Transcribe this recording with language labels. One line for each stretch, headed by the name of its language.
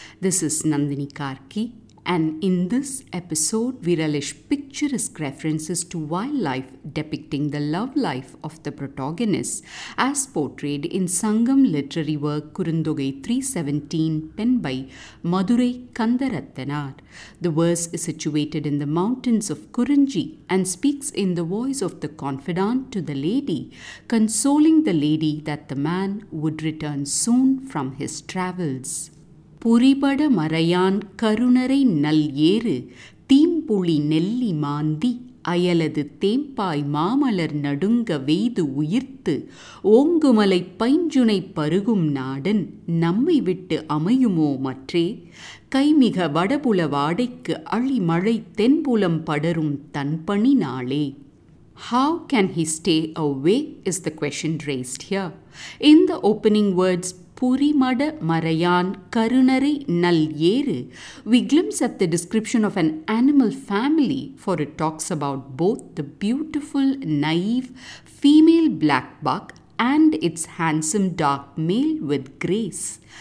English: This is Nandini Karki, and in this episode we relish picturesque references to wildlife depicting the love life of the protagonist as portrayed in Sangam literary work Kurundogai 317 penned by Madurai Kandarathanar. The verse is situated in the mountains of Kurunji and speaks in the voice of the confidant to the lady, consoling the lady that the man would return soon from his travels.
Tamil: புரிபட மறையான் கருணரை நல் ஏறு தீம்புளி நெல்லி மாந்தி அயலது தேம்பாய் மாமலர் நடுங்க வெய்து உயிர்த்து ஓங்குமலை பைஞ்சுனை பருகும் நாடன் நம்மை விட்டு அமையுமோ மற்றே கைமிக வடபுல வாடைக்கு அழி மழை தென்புலம் படரும் தன்பணி நாளே.
English: How can he stay away is the question raised here. In the opening words,
Tamil: Purimada Marayan Karunare Nal Yeru,
English: we glimpse at the description of an animal family, for it talks about both the beautiful, naive female black buck and its handsome dark male with grace.